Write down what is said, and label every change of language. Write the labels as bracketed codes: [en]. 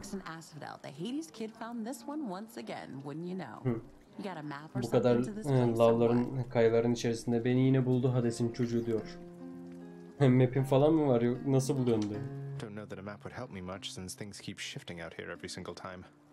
[en] The Hades kid found this one once again, wouldn't you know? [tr] Bu kadar lavların, kayaların içerisinde beni yine buldu Hades'in çocuğu diyor. Map'in falan mı var? Yok, nasıl buluyorsun diye. [en] Don't know that a map would help me much since things keep shifting out here every single time.